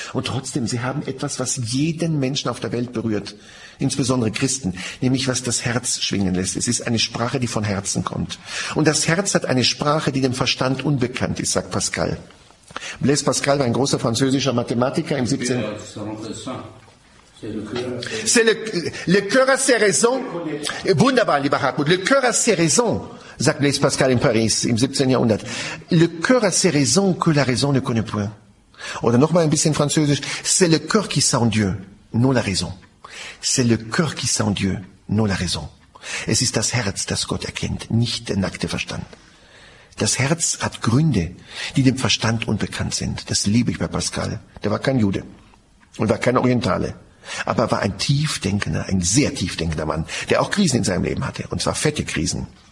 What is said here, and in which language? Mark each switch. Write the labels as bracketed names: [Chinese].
[German] Und trotzdem, Sie haben etwas, was jeden Menschen auf der Welt berührt, insbesondere Christen, nämlich was das Herz schwingen lässt. Es ist eine Sprache, die von Herzen kommt. Und das Herz hat eine Sprache, die dem Verstand unbekannt ist, sagt Pascal. Blaise Pascal war ein großer französischer Mathematiker im 17. [French] C'est le cœur à ses raisons. [German] Wunderbar, lieber Hartmut. [French] Le cœur à ses raisons, [German] sagt Blaise Pascal in Paris im 17. Jahrhundert. [French] Le cœur à ses raisons que la raison ne connaît point. [German] Oder nochmal ein bisschen französisch. [French] C'est le cœur qui sent Dieu, non la raison. C'est le cœur qui sent Dieu, non la raison. [German] Es ist das Herz, das Gott erkennt, nicht der nackte Verstand. Das Herz hat Gründe, die dem Verstand unbekannt sind. Das liebe ich bei Pascal. Der war kein Jude und war kein Orientale. Aber er war ein tiefdenkender, ein sehr tiefdenkender Mann, der auch Krisen in seinem Leben hatte, und zwar fette Krisen.